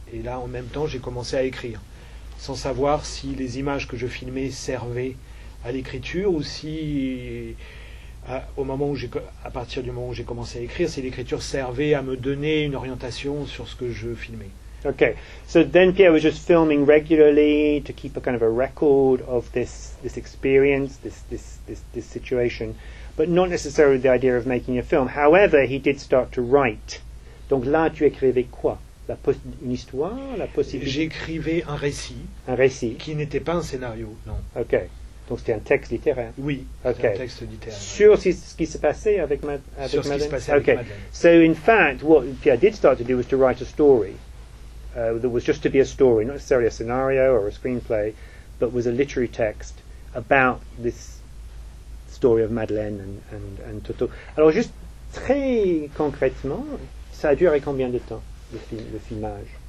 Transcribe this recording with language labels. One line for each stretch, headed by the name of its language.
French: Et là, en même temps, j'ai commencé à écrire, sans savoir si les images que je filmais servaient à l'écriture ou si, à partir du moment où j'ai commencé à écrire, si l'écriture servait à me donner une orientation sur ce que je filmais.
English: Okay, so then Pierre was just filming regularly to keep a kind of a record of this experience, this situation, but not necessarily the idea of making a film. However, he did start to write.
French: Donc là, tu écrivais quoi? Une histoire, la possibilité? J'écrivais un récit. Un récit. Qui n'était pas un scénario, non. Okay, donc c'était un texte littéraire. Oui, okay. Un texte littéraire. Sur ce qui se passait avec Madeleine? Sur ce qui se passait okay. avec Madeleine.
English: So in fact, what Pierre did start to do was to write a story. That was just to be a story, not necessarily a scenario or a screenplay, but was a literary text about this story of Madeleine and Toto.
French: Alors, juste très concrètement, ça a duré combien de temps, le filmage?